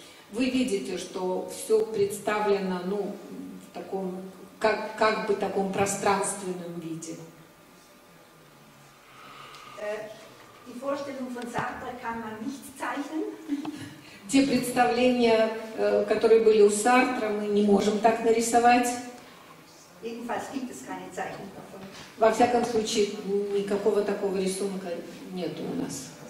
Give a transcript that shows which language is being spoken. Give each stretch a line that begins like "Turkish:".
Russian: Вы видите, что все представлено, ну, в таком, как бы таком пространственном виде.
German: Die Vorstellung von Sartre kann man nicht zeichnen.
Russian: Те представления, которые были у Сартра, мы не можем так нарисовать.
German: Jedenfalls gibt es keine Zeichnung davon.
Russian: Во всяком случае, никакого такого рисунка нет у нас.